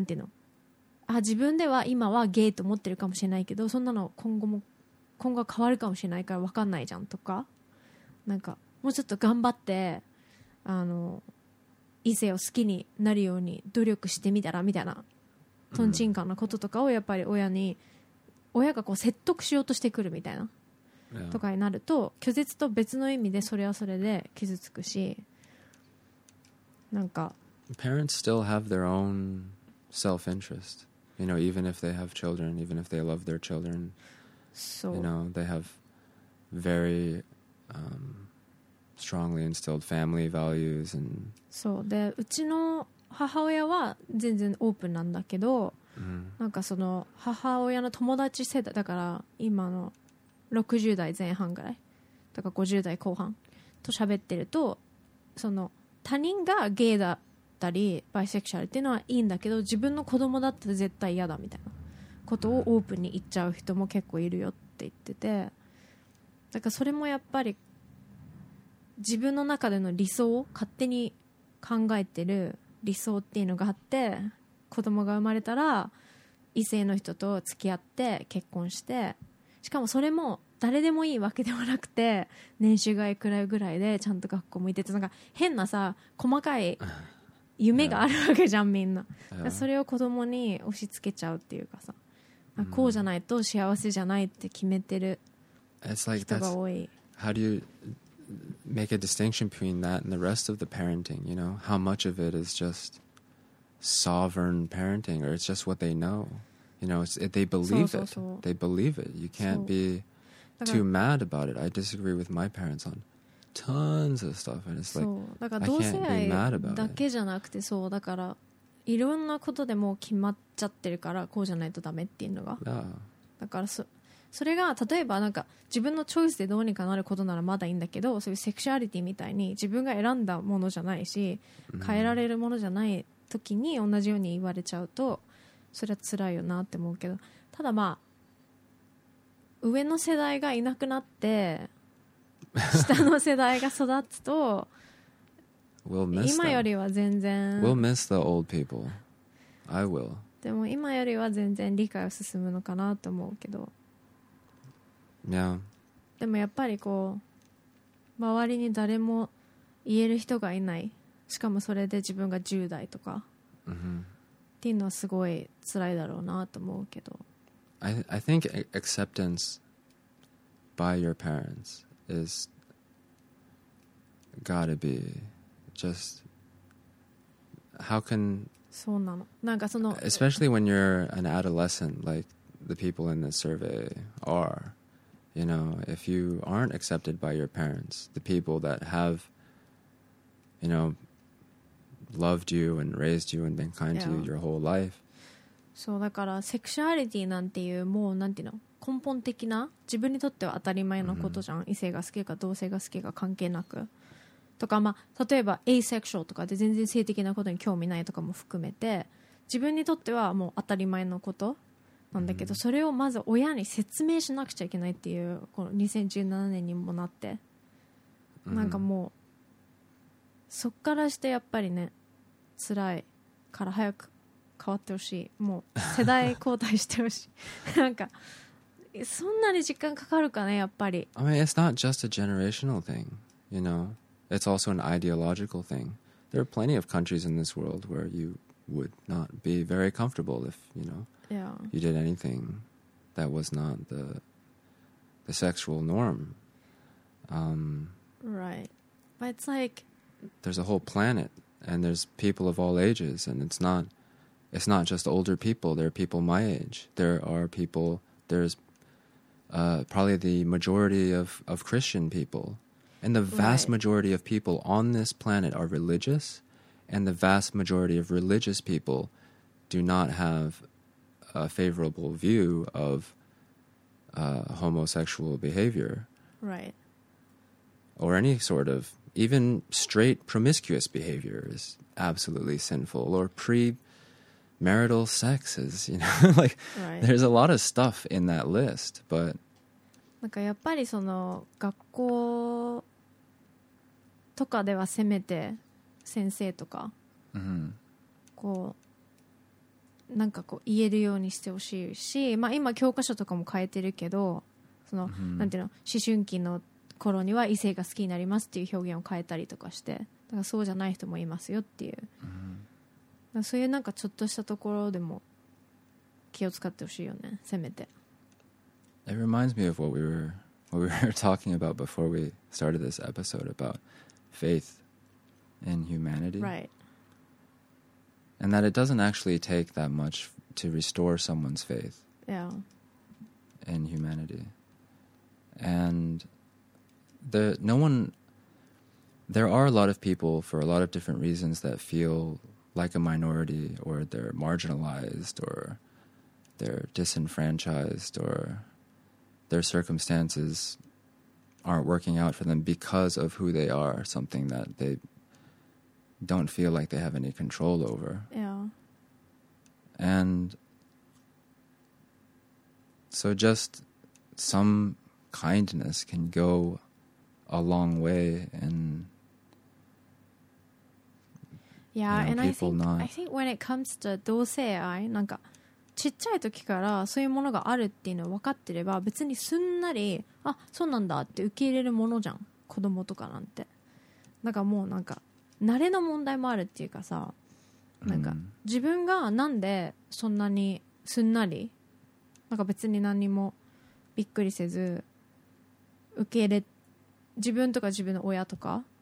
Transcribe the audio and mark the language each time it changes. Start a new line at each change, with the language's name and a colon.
Japanese: なんていうの、あ自分では今はゲイと思ってるかもしれないけど、そんなの今後変わるかもしれないから分かんないじゃんとか、なんかもうちょっと頑張ってあの異性を好きになるように努力してみたらみたいな、トンチンカンなこととかをやっぱり親がこう説得しようとしてくるみたいなとかになると、拒絶と別の意味でそれはそれで傷つくし、なんか
English: Parents still have their own self-interest, you know, even if they have children, even if they love their children So, you know, they have very strongly instilled family values and...
Japanese: そうで、うちの母親は全然オープンなんだけど、 mm-hmm. なんかその母親の友達世代だから今の60代前半ぐらいとか50代後半と喋ってると、その他人がゲイだったりバイセクシャルっていうのはいいんだけど、自分の子供だったら絶対嫌だみたいなことをオープンに言っちゃう人も結構いるよって言ってて、だからそれもやっぱり自分の中での理想を勝手に考えてる理想っていうのがあって、子供が生まれたら異性の人と付き合って結婚して、しかもそれも誰でもいいわけでもなくて、年収がいくらぐらいでちゃんと学校向いてて、なんか変なさ細かい夢があるわけじゃんみんな、だからそれを子供に押し付けちゃうっていうかさ、こうじゃないと幸せじゃないって決めてる人が多い。
English: It's like how do you make a distinction between that and the rest of the parenting? You know, how much of it is just sovereign parenting, or it's just what they know? You know, they believe
Japanese: そうそうそう
English: it. They believe it. You can't be too mad about it. I disagree with my parents on tons of stuff, and it's like
Japanese: だからどうせ
English: I can't be mad about
Japanese: だけじゃなくて、そうだから。いろんなことでもう決まっちゃってるから、こうじゃないとダメっていうのが、だから それが例えばなんか自分のチョイスでどうにかなることならまだいいんだけど、そういうセクシュアリティみたいに自分が選んだものじゃないし変えられるものじゃない時に同じように言われちゃうと、それは辛いよなって思うけど、ただまあ上の世代がいなくなって下の世代が育つと
English: We'll miss them.
Japanese: 今よりは全然。
English: We'll miss the old people. I will.
Japanese: でも今よりは全然理解を進むのかなと思うけど。 Yeah. でもやっぱりこう周りに誰も言える人がいない。しかもそれで自分が10代とか、 mm-hmm. っていうのはすごい辛いだろうなと思うけど。
English: I think acceptance by your parents is gotta be just how can
Japanese: そうなの。なんかその
English: especially when you're an adolescent like the people in this survey are you know if you aren't accepted by your parents the people that have you know loved you and raised you and been kind to you your whole life
Japanese: そうだからセクシュアリティなんていうもうなんていうの根本的な自分にとっては当たり前のことじゃん、mm-hmm. 異性が好きか同性が好きか関係なくとか、まあ、例えばアセクシュアルとかで全然性的なことに興味ないとかも含めて自分にとってはもう当たり前のことなんだけど、mm-hmm. それをまず親に説明しなくちゃいけないっていうこの2017年にもなって、mm-hmm. なんかもうそっからしてやっぱりね辛いから早く変わってほしいもう世代交代してほしいなんかそんなに時間かかるかねやっぱり
English: I mean it's not just a generational thing you knowIt's also an ideological thing. There are plenty of countries in this world where you would not be very comfortable if, you know, you did anything that was not the sexual norm. Right. But it's like... There's a whole planet, and there's people of all ages, and it's not just older people. There are people my age. There are people... There's probably the majority of Christian people. And the vast right. majority of people on this planet are religious, and the vast majority of religious people do not have a favorable view of homosexual behavior. Right. Or any sort of, even straight promiscuous behavior is absolutely sinful, or premarital sex is, you know, like, right. there's a lot of stuff in that list, but...
Japanese: なんかやっぱりその学校とかではせめて先生とか、 mm-hmm. こうなんかこう言えるようにしてほしいし、まあ、今教科書とかも変えてるけどその、mm-hmm. なんていうの思春期の頃には異性が好きになりますっていう表現を変えたりとかしてだからそうじゃない人もいますよっていう、 mm-hmm. そういうなんかちょっとしたところでも気を使ってほしいよねせめて
English: It reminds me of what we were talking about before we started this episode aboutfaith in humanity right and that it doesn't actually take that much to restore someone's faith yeah in humanity and there are a lot of people for a lot of different reasons that feel like a minority or they're marginalized or they're disenfranchised or their circumstancesaren't working out for them because of who they are, something that they don't feel like they have any control over. Yeah. And so just some kindness can go a long way in yeah, you know, and people I think, not... I think when it comes to
Japanese: 同性愛、なんかちっちゃい時からそういうものがあるっていうのを分かってれば別にすんなりあそうなんだって受け入れるものじゃん子供とかなんてなんかもうなんか慣れの問題もあるっていうかさなんか自分がなんでそんなにすんなりなんか別に何にもびっくりせず受け入れ自分とか自分の親とか、